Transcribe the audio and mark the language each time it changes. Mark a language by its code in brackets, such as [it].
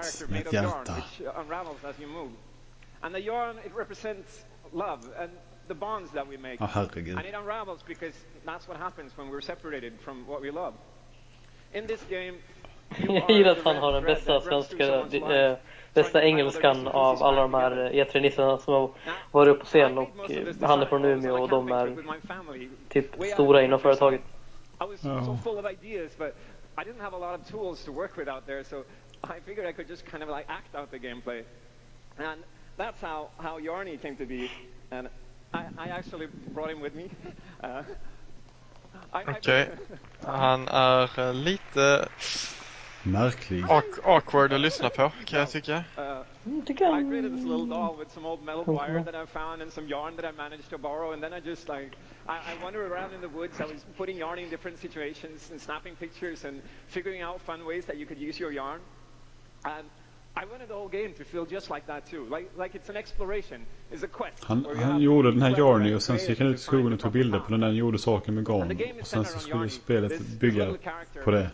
[en] character made of yarn, which unravels as you move. And the yarn, it represents love and the bonds that we make. And it unravels because that's what happens when we're separated from what we love. In this game, you are the red thread that runs through someone's life. [sv] Bästa engelskan av alla de här E3-nissarna som har varit uppe på scen och han är från Umeå och de är typ stora inom företaget. [en] I was so full of ideas but I didn't have a lot of tools to work with out there so I figured I could just kind of like act out the gameplay. And that's how Jarni came to be and I actually brought him with me. [sv] Okej, han är lite... Märklig. Awkward att lyssna på, kan jag tycka. [en] I created this little doll with some old metal wire that I found and some yarn that I managed to borrow, and then I just like I wandered around in the woods. I was putting yarn in different situations and snapping pictures and figuring out fun ways that you could use your yarn. And I wanted the whole game to feel just like that too. Like it's an exploration. It's a quest. [sv] Han gjorde den här yarny och sen så gick han ut i skogen och tog bilder på den när han gjorde saken med garn. Och sen så skulle spelet bygga på det.